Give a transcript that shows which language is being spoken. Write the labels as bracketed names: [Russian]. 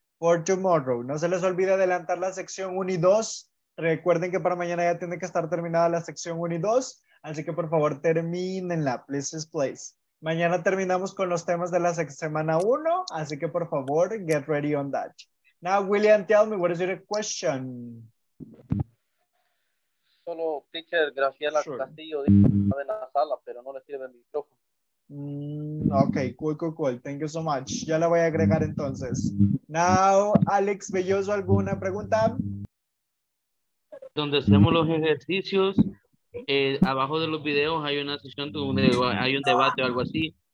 [English] For tomorrow, [Spanish] no se les olvide adelantar la sección 1 y 2. Recuerden que para mañana ya tiene que estar terminada la sección 1 y 2. Así que, por favor, termínenla, [English] please, please. [Spanish] Mañana terminamos con los temas de la semana 1. Así que, por favor, [English] get ready on that. Now, William, tell me, what is your question? [Spanish] Solo, teacher, Graciela Castillo dijo de la sala, pero no le sirve el micrófono. [English] Okay, cool, cool, cool. Thank you so much. [Spanish] Ya la voy a agregar entonces. [English] Now, [Spanish] Alex Belloso, ¿alguna pregunta? Donde hacemos los ejercicios, abajo de los videos hay una sesión donde hay un debate o algo así.